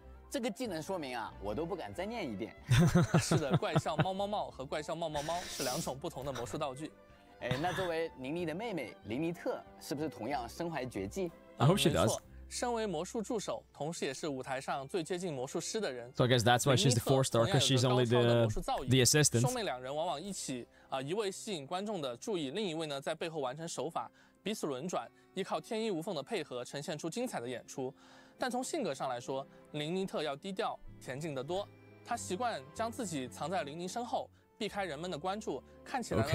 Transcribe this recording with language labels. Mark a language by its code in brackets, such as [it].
[zh] 这个技能说明啊，我都不敢再念一遍。是的，怪笑猫猫猫和怪笑冒冒猫是两种不同的魔术道具。哎，那作为林妮的妹妹林妮特是不是同样身怀绝技？ [en] I hope she does. [zh] 身为魔术助手，同时也是舞台上最接近魔术师的人。 [en] So I guess that's why she's the four star, because she's only the assistant. [zh] 兄妹两人往往一起，一位吸引观众的注意，另一位呢在背后完成手法，彼此轮转，依靠天衣无缝的配合，呈现出精彩的演出。但从性格上来说，林妮特要低调、恬静得多。她习惯将自己藏在林妮身后，避开人们的关注，看起来呢、